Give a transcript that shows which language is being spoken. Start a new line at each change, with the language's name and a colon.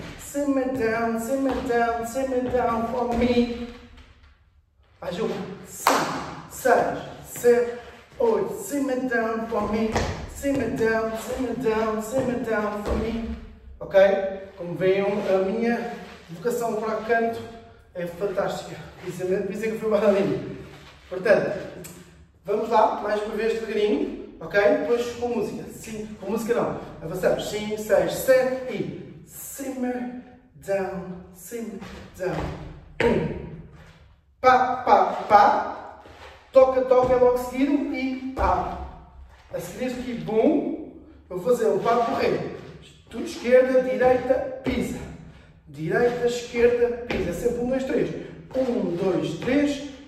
English: Simmer down, simmer down, simmer down for me.
Portuguese: Mais um.
English: 5, 6, 7, 8. Simmer down for me. Simmer down, simmer down, simmer down for me. Ok?
Portuguese: Como veem, a minha vocação para o canto é fantástica. Dizem que foi uma linha. Portanto, vamos lá, mais uma vez devagarinho. Ok? Depois com música. Sim, com música não. Avançamos. 5, 6, 7 e.
English: Simmer down, simmer down. Pum. Pá, pá, pá.
Portuguese: Toca, toca, é logo seguido e pá. A seguir isto aqui, bum, vou fazer um passo correr. Tudo esquerda, direita, pisa. Direita, esquerda, pisa. Sempre um, dois, três. Um, dois, três.